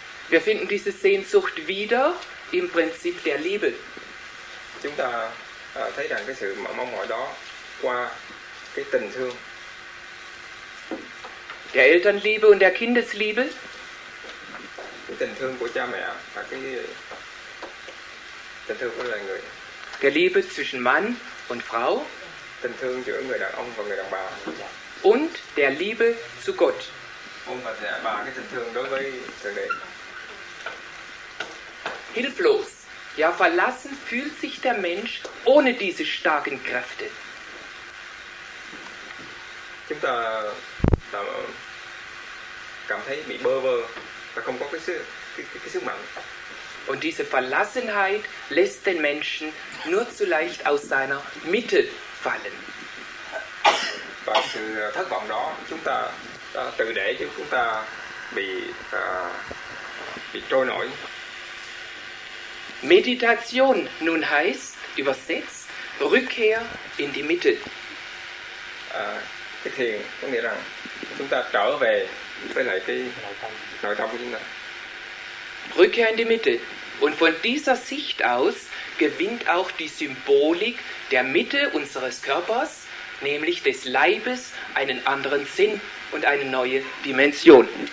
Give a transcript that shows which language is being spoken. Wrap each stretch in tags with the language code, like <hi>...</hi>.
<de>Wir finden diese Sehnsucht wieder im Prinzip der Liebe.</de> <vi>Chúng ta thấy rằng cái sự mong mỏi đó qua cái tình thương.</vi> <de>Der Elternliebe und der Kindesliebe.</de> <vi>Cái tình thương của cha mẹ và cái tình thương của loài người.</vi> <de>Der Liebe zwischen Mann und Frau.</de> <vi>Tình thương giữa người đàn ông và người đàn bà.</vi> <de>Und der Liebe zu Gott. Und</de> <vi>và der bà cái tình thương đối với Thượng Đế.</vi> <de>Hilflos, ja verlassen fühlt sich der Mensch ohne diese starken Kräfte.</de> <vi>Chúng ta cảm thấy bị bơ vơ và không có cái sức mạnh.</vi> <de>Und diese Verlassenheit lässt den Menschen nur zu leicht aus seiner Mitte fallen.</de> <vi>Và sự thất vọng đó chúng ta tự để cho chúng ta bị trôi nổi.</vi> <de>Meditation nun heißt übersetzt Rückkehr in die Mitte.</de> <vi>Cái thiền có nghĩa rằng chúng ta trở về với lại cái nội tâm của chúng ta.</vi> <de>Rückkehr in die Mitte. Und von dieser Sicht aus gewinnt auch die Symbolik der Mitte unseres Körpers, nämlich des Leibes, einen anderen Sinn und eine neue Dimension.</de>